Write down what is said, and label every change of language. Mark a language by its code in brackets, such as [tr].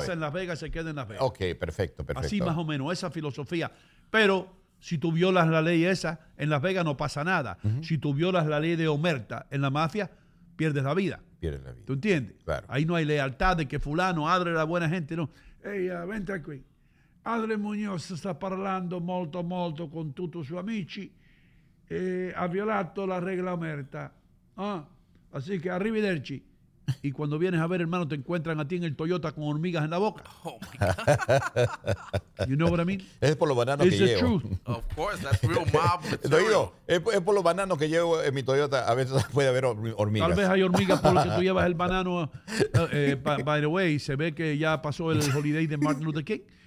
[es] Pasa en Las Vegas se queda en Las Vegas. Ok, perfecto, perfecto. Así más o menos, esa filosofía. Pero si tú violas la ley esa, en Las Vegas no pasa nada. Uh-huh. Si tú violas la ley de omerta en la mafia, pierdes la vida. Pierdes la vida. ¿Tú entiendes? Claro. Ahí no hay lealtad de que fulano abre la buena gente. No. Ey, vente aquí. [it] Padre Muñoz sta parlando molto molto con tutti i suoi amici e ha violato la regla omerta. [es] Ah, así que [it] arrivederci. [es] Y cuando vienes a ver, hermano, te encuentran a ti en el Toyota con hormigas en la boca. [en] Oh, my God. You know what I mean? [es] Es por los bananos [en] It's [es] que llevo. [en] Truth. Of course, that's real mob material. [es] Lo digo, es por los bananos que llevo en mi Toyota. A veces puede haber hormigas. Tal vez hay hormigas por lo que tú llevas el banano. [en] By the way, [es] se ve que ya pasó el holiday de Martin Luther King.